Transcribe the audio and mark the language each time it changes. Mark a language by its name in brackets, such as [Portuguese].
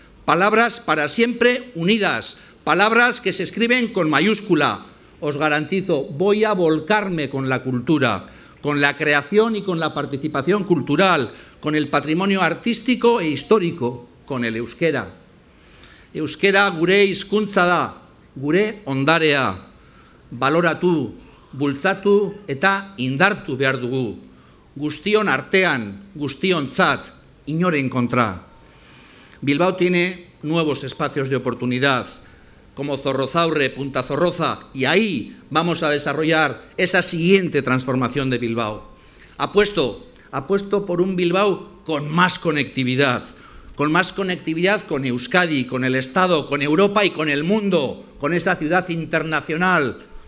[Spanish] Palabras para siempre unidas. Palabras que se escriben con mayúscula. Os garantizo, voy a volcarme con la cultura, con la creación y con la participación cultural, con el patrimonio artístico e histórico, con el euskera. [Basque] Euskera gure hizkuntza da, gure ondarea. Baloratu, bultzatu eta indartu behar dugu. Guztion artean, guztiontzat, inoren kontra. [Spanish] Bilbao tiene nuevos espacios de oportunidad, como Zorrozaurre, Punta Zorroza, y ahí vamos a desarrollar esa siguiente transformación de Bilbao. Apuesto por un Bilbao con más conectividad con Euskadi, con el Estado, con Europa y con el mundo, con esa ciudad internacional.